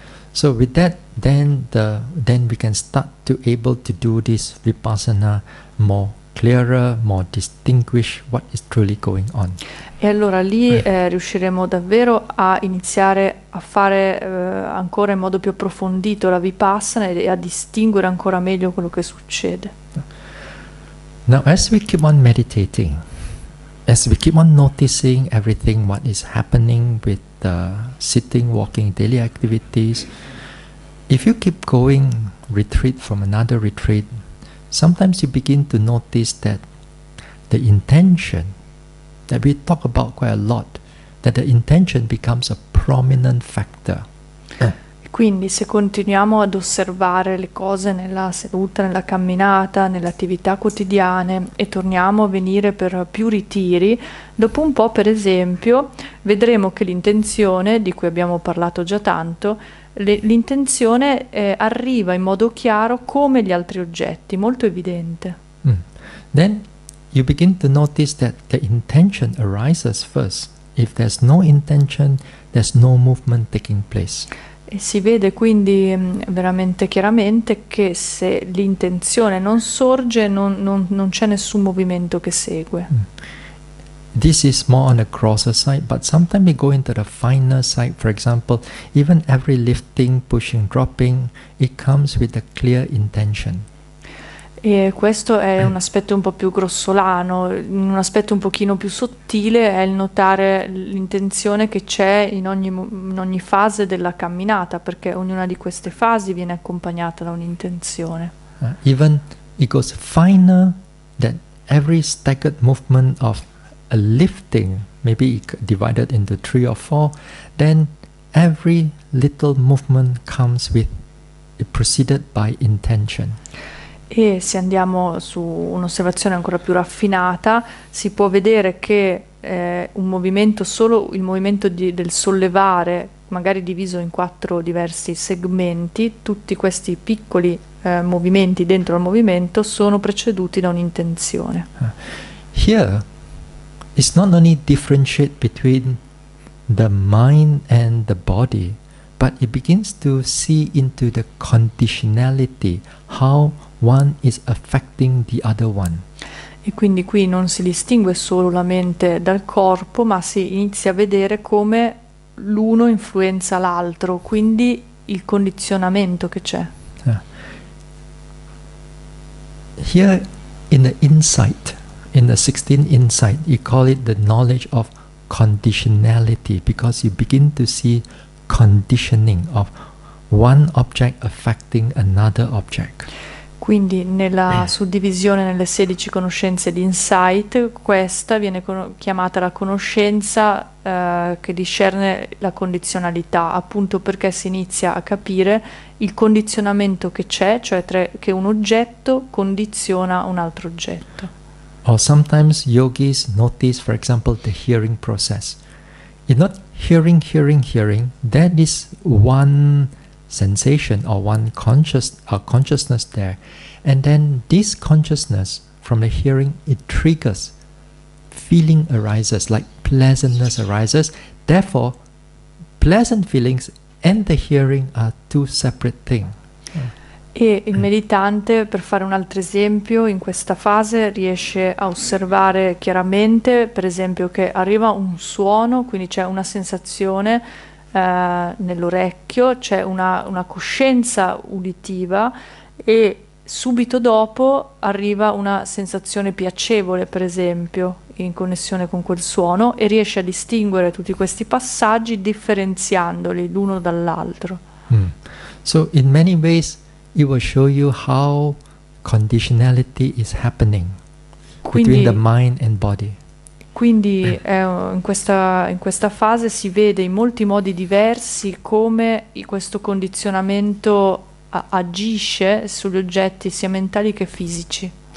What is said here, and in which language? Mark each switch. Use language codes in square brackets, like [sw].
[en] So with that, then we can start to able to do this vipassana more clearer, more distinguish what is truly going on. [it] E allora lì riusciremo davvero a iniziare a fare ancora in modo più approfondito la vipassana e a distinguere ancora meglio quello che succede. [en] Now, as we keep on meditating, as we keep on noticing everything, what is happening with the sitting, walking, daily activities, if you keep going retreat from another retreat, sometimes you begin to notice that the intention that we talk about quite a lot, that the intention becomes a prominent factor. [it] Quindi se continuiamo ad osservare le cose nella seduta, nella camminata, nelle attività quotidiane e torniamo a venire per più ritiri, dopo un po', per esempio, vedremo che l'intenzione, di cui abbiamo parlato già tanto, l'intenzione arriva in modo chiaro come gli altri oggetti, molto evidente. [en] Then you begin to notice that the intention arises first. If there's no intention, there's no movement taking place. [it] E si vede quindi veramente chiaramente che se l'intenzione non sorge, non c'è nessun movimento che segue. [en] This is more on the grosser side, but sometimes we go into the finer side. For example, even every lifting, pushing, dropping, it comes with a clear intention. [it] E questo è un aspetto un po' più grossolano, un aspetto un pochino più sottile è il notare l'intenzione che c'è in ogni fase della camminata, perché ognuna di queste fasi viene accompagnata da un'intenzione. [en] Even it goes finer than every staggered movement of a lifting, maybe divided into three or four, then every little movement comes with it, preceded by intention. [it] E se andiamo su un'osservazione ancora più raffinata, si può vedere che un movimento, solo il movimento del sollevare, magari diviso in quattro diversi segmenti, tutti questi piccoli movimenti dentro al movimento sono preceduti da un'intenzione. [en] Here it's not only differentiate between the mind and the body, but it begins to see into the conditionality, how one is affecting the other one. [it] E quindi qui non si distingue solo la mente dal corpo, ma si inizia a vedere come l'uno influenza l'altro, quindi il condizionamento che c'è. [en] Here in the insight, in the 16th insight, you call it the knowledge of conditionality, because you begin to see conditioning of one object affecting another object. [it] Quindi nella suddivisione nelle 16 conoscenze di insight, questa viene chiamata la conoscenza che discerne la condizionalità, appunto perché si inizia a capire il condizionamento che c'è, cioè che un oggetto condiziona un altro oggetto. [en] Or sometimes yogis notice, for example, the hearing process. You're not hearing, that is one sensation or one consciousness there, and then this consciousness from the hearing, it triggers, feeling arises, like pleasantness arises, therefore pleasant feelings and the hearing are two separate things. [it] E il meditante, per fare un altro esempio, in questa fase riesce a osservare chiaramente, per esempio, che arriva un suono, quindi c'è una sensazione nell'orecchio, c'è una coscienza uditiva e subito dopo arriva una sensazione piacevole, per esempio, in connessione con quel suono, e riesce a distinguere tutti questi passaggi differenziandoli l'uno dall'altro. [en] So in many ways it will show you how conditionality is happening between the mind and body. [it] Quindi in questa fase si vede in molti modi diversi come questo condizionamento agisce sugli oggetti sia mentali che fisici.